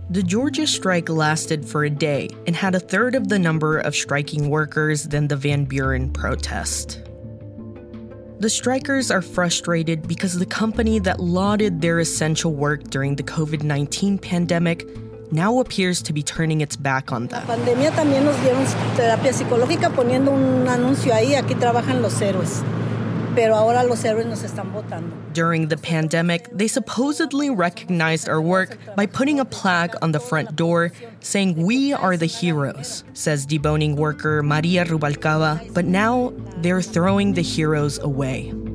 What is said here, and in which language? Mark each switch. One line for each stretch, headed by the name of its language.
English: The Georgia strike lasted for a day and had a third of the number of striking workers than the Van Buren protest. The strikers are frustrated because the company that lauded their essential work during the COVID-19 pandemic now appears to be turning its back on them.
Spanish: La pandemia también nos dieron terapia psicológica poniendo un anuncio ahí, aquí trabajan los héroes. Pero ahora los héroes nos están botando.
English: During the pandemic, they supposedly recognized our work by putting a plaque on the front door saying we are the heroes, says deboning worker Maria Rubalcaba. But now they're throwing the heroes away.